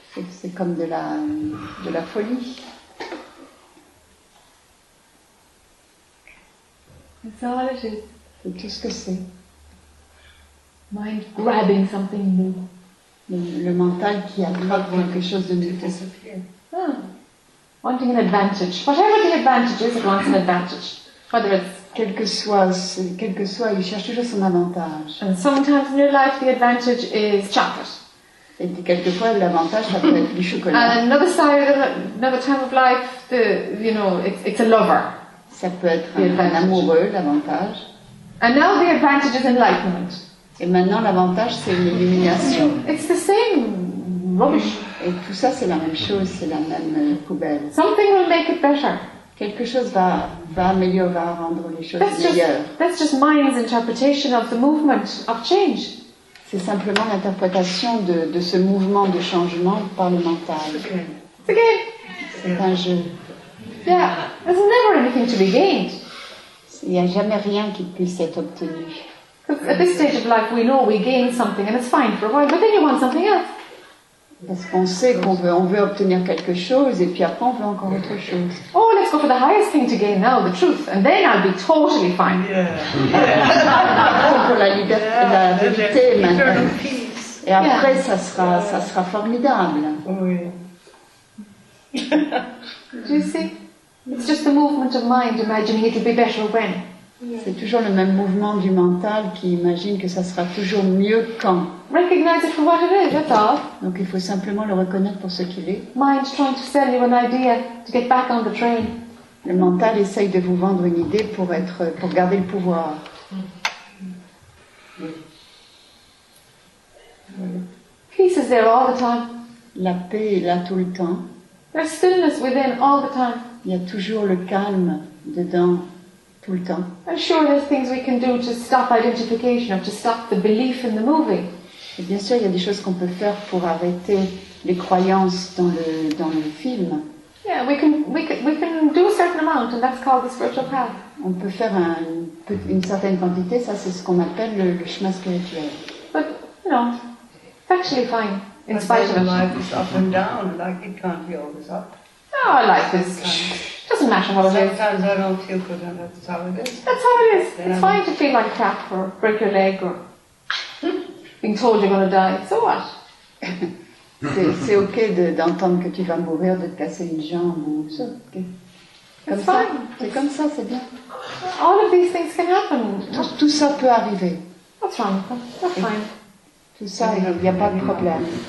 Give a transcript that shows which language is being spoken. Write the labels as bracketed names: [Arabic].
[French] C'est comme de la folie. [English] It's all it is. [French] C'est tout ce que c'est. [English] Mind grabbing something new. [French] Le mental qui attrape quelque chose de nouveau. [English] Disappear. Ah. Wanting an advantage. Whatever the advantage is, it wants an advantage. Whether it's... [French] Quel que soit, il cherche toujours son avantage. [English] And sometimes in your life, the advantage is chocolate. [French] Et quelquefois, l'avantage, ça peut être du chocolat. [English] And another side, another time of life, the, you know, it's a lover. [French] Ça peut être un amoureux, l'avantage. [English] And now the advantage is enlightenment. [French] Et maintenant, l'avantage, c'est l'illumination. [English] It's the same rubbish. [French] Et tout ça, c'est la même chose, c'est la même poubelle. [English] Something will make it better. [French] Quelque chose va améliorer, va rendre les choses meilleures. [English] That's just mind's interpretation of the movement of change. [French] C'est simplement l'interprétation de ce mouvement de changement par le mental. [English] It's a game. [French] C'est un jeu. [English] Yeah, there's never anything to be gained. [French] Il n'y a jamais rien qui puisse être obtenu. [English] At this stage of life, we know we gain something, and it's fine for a while. But then you want something else. [French] Parce qu'on sait qu'on veut, on veut obtenir quelque chose, et puis après on veut encore autre chose. [English] Oh, let's go for the highest thing to gain now, the truth, and then I'll be totally fine. [French] Yeah. Pour la liberté, yeah, la vérité maintenant. Et après, yeah, ça sera formidable. [English] Oui. Do you see? It's just the movement of mind imagining it'll be better when. [French] C'est toujours le même mouvement du mental qui imagine que ça sera toujours mieux quand. [English] Recognize it for what it is, that's all. [French] Donc il faut simplement le reconnaître pour ce qu'il est. [English] Mind trying to sell you an idea to get back on the train. [French] Le mental essaye de vous vendre une idée pour être, pour garder le pouvoir. [English] Peace is there all the time. [French] La paix est là tout le temps. [English] There's stillness within all the time. [French] Il y a toujours le calme dedans. Tout le temps. [English] I'm sure there's things we can do to stop identification, or to stop the belief in the movie. [French] Et bien sûr, il y a des choses qu'on peut faire pour arrêter les croyances dans le film. [English] Yeah, we can do a certain amount, and that's called the spiritual path. [French] On peut faire une certaine quantité, ça c'est ce qu'on appelle le chemin spirituel. [English] But you know, it's actually fine in spite of it. Life is up and down, like it can't be always up. Oh, life is. It doesn't matter how it sometimes is. Sometimes I don't feel good and that's how it is. That's how it is. Then it's fine to feel like crap or break your leg or being told you're going to die. So what? [French] c'est ok d'entendre que tu vas mourir, de te casser une jambe ou ça. [English] Okay. It's fine. [French] C'est comme ça, c'est bien. [English] All of these things can happen. [French] Tout ça peut arriver. [English] That's fine. That's fine. [French] Tout ça, il n'y a pas de problème.